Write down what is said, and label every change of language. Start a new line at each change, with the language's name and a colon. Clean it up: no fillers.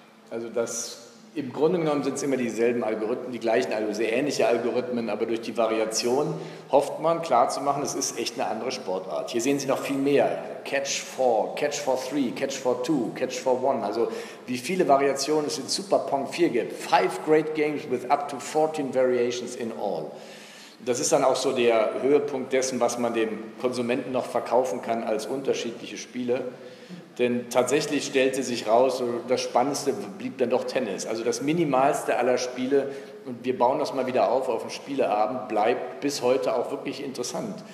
German: Also das, im Grunde genommen sind es immer dieselben Algorithmen, die gleichen, also sehr ähnliche Algorithmen, aber durch die Variation hofft man klarzumachen, es ist echt eine andere Sportart. Hier sehen Sie noch viel mehr, Catch 4, Catch 4 3, Catch 4 2, Catch 4 1, also wie viele Variationen es in Super Pong 4 gibt.
English: 5 great games with up to 14 variations in all.
German: Das ist dann auch so der Höhepunkt dessen, was man dem Konsumenten noch verkaufen kann als unterschiedliche Spiele. Denn tatsächlich stellte sich raus, das Spannendste blieb dann doch Tennis. Also das Minimalste aller Spiele, und wir bauen das mal wieder auf dem Spieleabend, bleibt bis heute auch wirklich interessant.